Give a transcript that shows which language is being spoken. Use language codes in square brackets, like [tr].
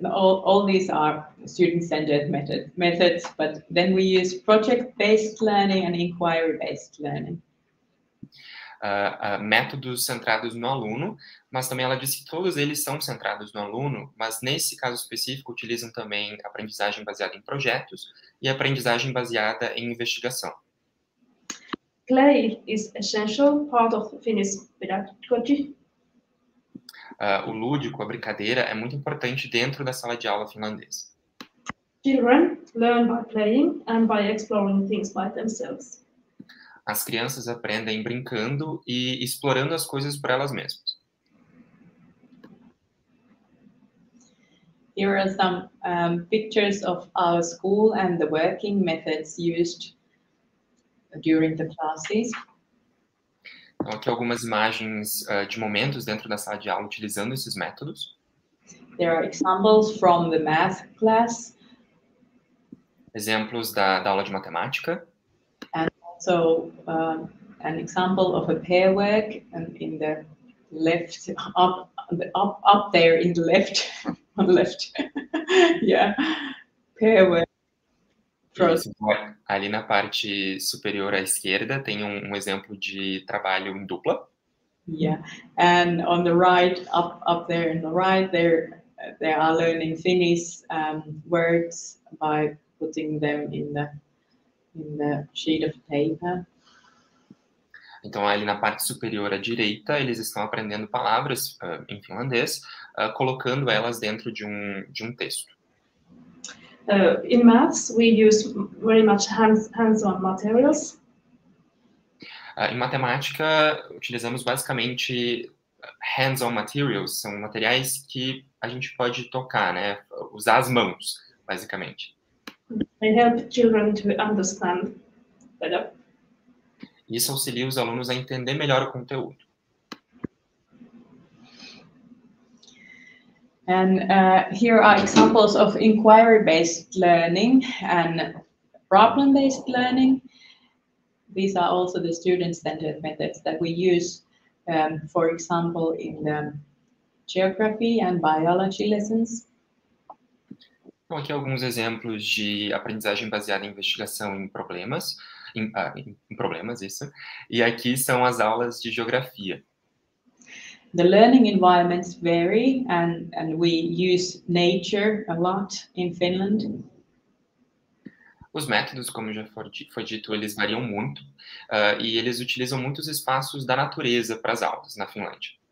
[en] All these are student-centered methods, but then we use project-based learning and inquiry-based learning. [pt] Métodos centrados no aluno, mas também ela disse que todos eles são centrados no aluno, mas nesse caso específico utilizam também aprendizagem baseada em projetos e aprendizagem baseada em investigação. [en] Play is essential part of Finnish pedagogy. [pt] O lúdico, a brincadeira, é muito importante dentro da sala de aula finlandesa. [en] Children learn by playing and by exploring things by themselves. [pt] As crianças aprendem brincando e explorando as coisas por elas mesmas. [en] Here are some pictures of our school and the working methods used during the classes. [pt] Então, aqui algumas imagens de momentos dentro da sala de aula utilizando esses métodos. [en] There are examples from the math class. [pt] Exemplos da aula de matemática. [en] And also an example of a pair work in the left, up there in the left, on the left. Yeah, pair work. [pt] Ali na parte superior à esquerda tem um exemplo de trabalho em dupla. [en] Yeah, and on the right, up there in the right, they are learning Finnish words by putting them in the sheet of paper. [pt] Então ali na parte superior à direita eles estão aprendendo palavras em finlandês, colocando elas dentro de um texto. [en] In maths, we use very much hands-on materials. [pt] Em matemática, utilizamos basicamente hands-on materials, são materiais que a gente pode tocar, né? Usar as mãos, basicamente. [en] They help children to understand better. [pt] Isso auxilia os alunos a entender melhor o conteúdo. [en] And here are examples of inquiry-based learning and problem-based learning. These are also the student-centered methods that we use, for example, in the geography and biology lessons. [pt] Então, aqui alguns exemplos de aprendizagem baseada em investigação em problemas. Em problemas, isso. E aqui são as aulas de geografia. [en] The learning environments vary, and we use nature a lot in Finland. [pt] Os métodos, como já foi dito, eles variam muito, e eles utilizam muitos espaços da natureza para as aulas na Finlândia.